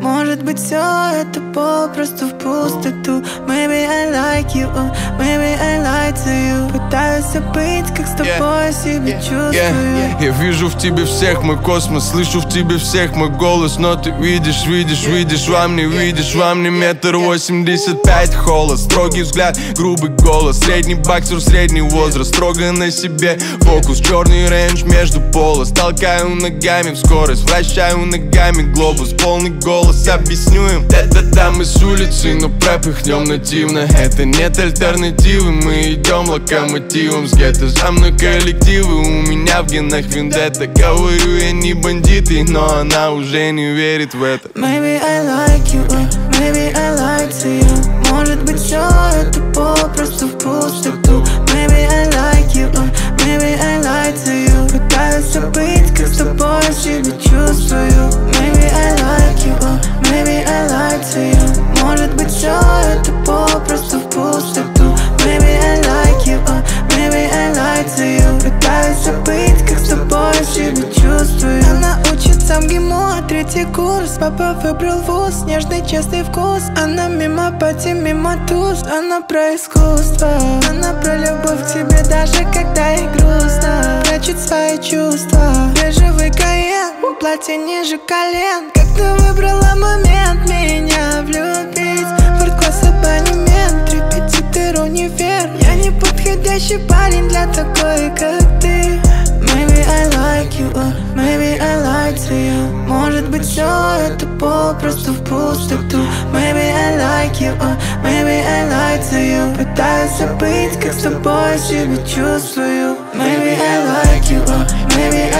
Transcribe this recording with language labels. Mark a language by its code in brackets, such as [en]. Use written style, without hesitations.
[ru] Может быть, все это попросту в пустоту. [en] Maybe I like you, maybe I lied to you. [ru] Пытаюсь забыть, как с тобой себя чувствую. Я вижу в тебе всех мой космос, слышу в тебе всех мой голос. Но ты видишь, видишь, видишь, во мне видишь. Во мне 1.85 м, холод, строгий взгляд, грубый голос. Средний боксер, средний возраст, строго на себе фокус. Черный рейндж между полос, толкаю ногами в скорость. Вращаю ногами глобус, полный голос, объясню им. Да-да-да, мы с улицы, но пропихнем нативно. Это нет альтернативы, мы идем локомотивом с гетто. За мной коллективы, у меня в генах вендетта. Говорю, я не бандиты, но она уже не верит в это. [en] Maybe I like you, maybe I lied to you. [ru] Может быть, все это попросту в пустоту. [en] Maybe I like you, maybe I lied to you. [ru] Пытаюсь забыть, как с тобой себя чувствую. [en] Maybe I like you, maybe I lied to you. [ru] Может быть, все это попросту в пустоту. [en] Maybe I like you, maybe I lied to you. [ru] Пытаюсь забыть, как с тобой себя чувствую. Она учится в ГИМО, третий курс. Папа выбрал вуз, нежный, честный вкус. Она мимо пати, мимо туз. Она про искусство, она про любовь к тебе, даже когда ей грустно. Прячет свои чувства, бежевый каен, платье ниже колен. Как ты выбрала момент меня влюбить? Форт-класс, абонемент, репетитор, универ. Я не подходящий парень для такой, как ты. [en] Maybe I like you, maybe I lied to you. [ru] Может быть, все это попросту в пустоту. [en] Maybe I like you, maybe I lied to you. [ru] Пытаюсь забыть, как с тобой себя чувствую. Maybe I like you, maybe I lied to you.